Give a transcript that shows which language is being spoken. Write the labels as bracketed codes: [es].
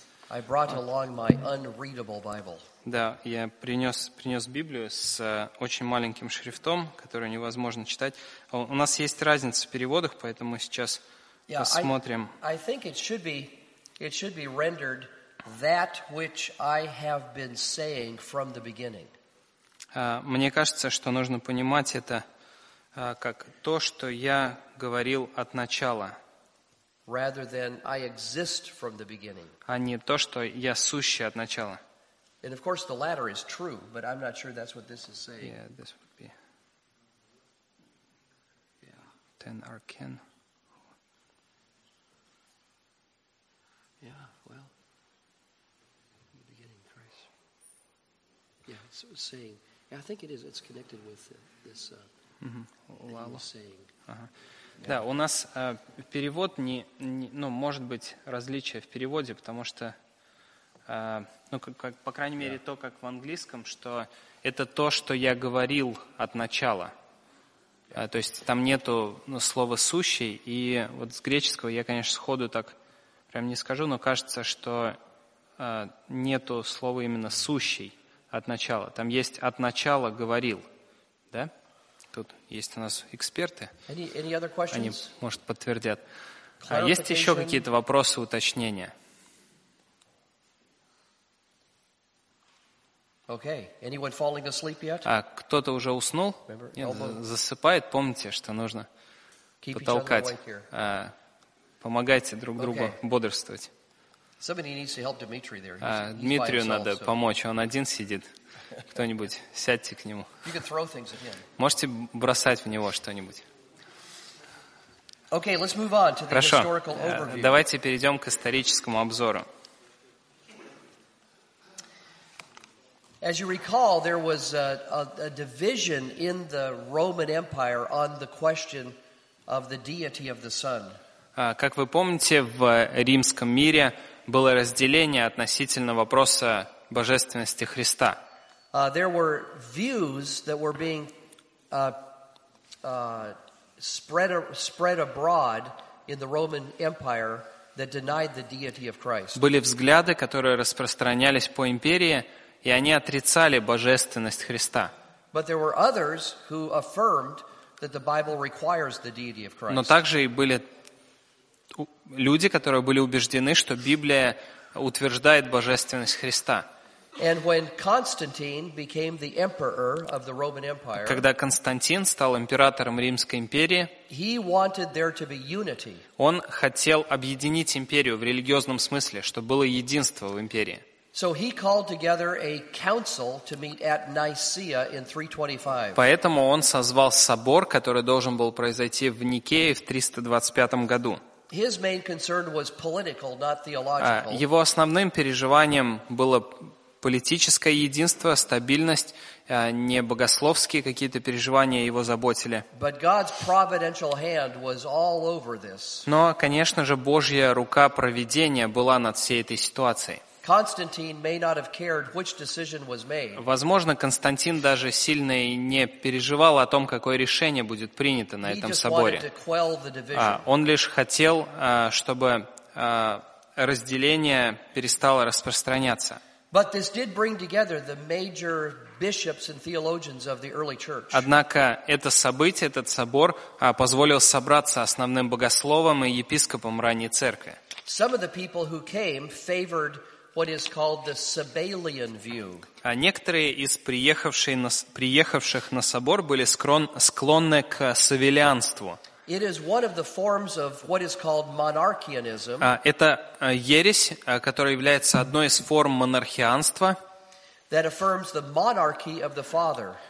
[en] I brought along my unreadable Bible. [ru] Да, я принес Библию с очень маленьким шрифтом, который невозможно читать. У нас есть разница в переводах, поэтому сейчас посмотрим. [en] I think it should be rendered that which I have been saying from the beginning. [ru] Мне кажется, что нужно понимать это как то, что я говорил от начала. [en] Rather than I exist from the beginning. [ru] А не то, что я сущий от начала. [en] And of course the latter is true, but I'm not sure that's what this is saying. Yeah, this would be. Yeah. Ten arcane. Yeah, well. In the beginning, Christ. Yeah, it's saying. Yeah, I think it is. It's connected with this saying. [ru] Да, у нас перевод может быть различие в переводе, потому что, по крайней мере, то, как в английском, что это то, что я говорил от начала. То есть там нету слова «сущий», и вот с греческого я, конечно, сходу так прям не скажу, но кажется, что нету слова именно «сущий» от начала. Там есть «от начала говорил», да? Тут есть у нас эксперты. [en] Any other questions? [ru] Они, может, подтвердят. Есть еще какие-то вопросы, уточнения? [en] Okay. Anyone falling asleep yet? [ru] А кто-то уже уснул? [en] Remember, [ru] нет, засыпает? Помните, что нужно [en] keep [ru] потолкать. Помогайте друг другу бодрствовать. [en] Somebody needs to help Dimitri there. [ru] Дмитрию надо помочь, он один сидит. Кто-нибудь, сядьте к нему. [en] You can throw things at him. [ru] Можете бросать в него что-нибудь. [en] Okay, let's move on to the [ru] Хорошо. [en] Historical overview. [ru] Давайте перейдем к историческому обзору. [en] As you recall, there was a division in the Roman Empire on the question of the deity of the Son. [ru] Как вы помните, в римском мире было разделение относительно вопроса божественности Христа. [en] There were views that were being spread abroad in the Roman Empire that denied the deity of Christ. [ru] Были взгляды, которые распространялись по империи, и они отрицали божественность Христа. [en] But there were others who affirmed that the Bible requires the deity of Christ. [ru] Но также и были люди, которые были убеждены, что Библия утверждает божественность Христа. [en] And when Constantine became the emperor of the Roman Empire, [ru] когда Константин стал императором Римской империи, [en] he wanted there to be unity. [ru] Он хотел объединить империю в религиозном смысле, чтобы было единство в империи. [en] So he called together a council to meet at Nicaea in 325. [ru] Поэтому он созвал собор, который должен был произойти в Никее в 325 году. [en] His main concern was political, not theological. [ru] Его основным переживанием было политическое единство, стабильность, не богословские какие-то переживания его заботили. [en] But God's providential hand was all over this. [ru] Но, конечно же, Божья рука проведения была над всей этой ситуацией. [en] Constantine may not have cared which decision was made. [ru] Возможно, Константин даже сильно и не переживал о том, какое решение будет принято на этом соборе. [en] He just wanted to quell the division. [ru] Он лишь хотел, чтобы разделение перестало распространяться. [en] But this did bring together the major bishops and theologians of the early church. [ru] Однако это событие, этот собор, позволил собраться основным богословам и епископам ранней церкви. [en] Some of the people who came favored what is called the Sabellian view. [ru] А некоторые из приехавших на собор были склонны к савелианству. [en] It is one of the forms of what is called monarchianism. [ru] Это ересь, которая является одной из форм монархианства. [en] That affirms the monarchy of the Father.